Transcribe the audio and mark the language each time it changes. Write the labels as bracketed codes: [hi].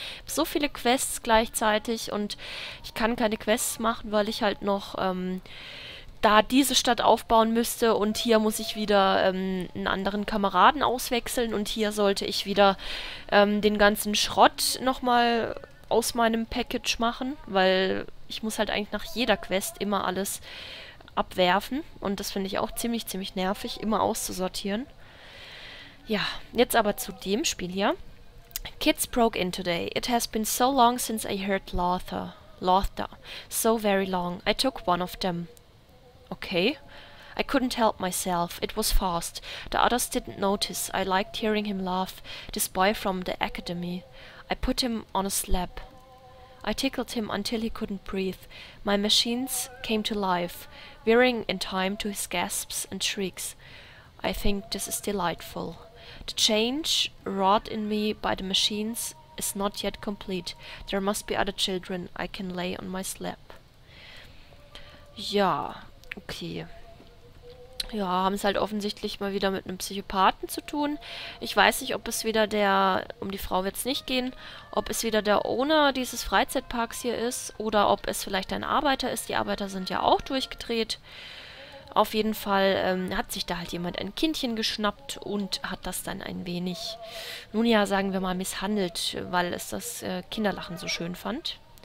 [de] Ich habe so viele Quests gleichzeitig und ich kann keine Quests machen, weil ich halt noch da diese Stadt aufbauen müsste und hier muss ich wieder einen anderen Kameraden auswechseln und hier sollte ich wieder den ganzen Schrott nochmal aus meinem Package machen, weil ich muss halt eigentlich nach jeder Quest immer alles abwerfen und das finde ich auch ziemlich, ziemlich nervig, immer auszusortieren. Ja, jetzt aber zu dem Spiel hier. [en] Kids broke in today. It has been so long since I heard Lothar. Lothar. So very long. I took one of them. Okay. I couldn't help myself. It was fast. The others didn't notice. I liked hearing him laugh. This boy from the academy. I put him on a slab. I tickled him until he couldn't breathe. My machines came to life, veering in time to his gasps and shrieks. I think this is delightful. The change wrought in me by the machines is not yet complete. There must be other children I can lay on my slab. Ja, Okay. [de] Ja, haben es halt offensichtlich mal wieder mit einem Psychopathen zu tun. Ich weiß nicht, ob es wieder der, um die Frau wird es nicht gehen, ob es wieder der Owner dieses Freizeitparks hier ist oder ob es vielleicht ein Arbeiter ist. Die Arbeiter sind ja auch durchgedreht. Auf jeden Fall hat sich da halt jemand ein Kindchen geschnappt und hat das dann ein wenig, nun ja, sagen wir mal, misshandelt, weil es das Kinderlachen so schön fand.